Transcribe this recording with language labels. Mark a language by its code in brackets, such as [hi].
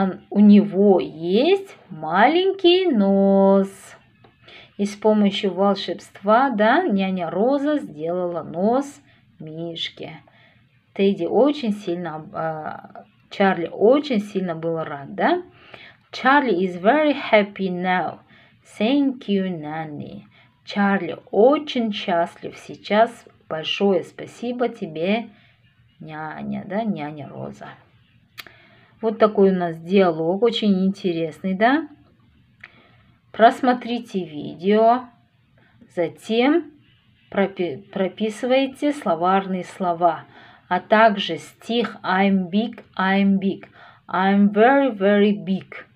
[ru] У него есть маленький нос. И с помощью волшебства, да, няня Роза сделала нос мишке. Тедди очень сильно, Чарли очень сильно был рад, да? [en] Charlie is very happy now. Thank you, Nanny. [ru] Чарли очень счастлив сейчас Большое спасибо тебе, няня, да, няня Роза. Вот такой у нас диалог, очень интересный, да? Просмотрите видео, затем прописывайте словарные слова, а также стих [en] I'm big, I'm big, I'm very, very big.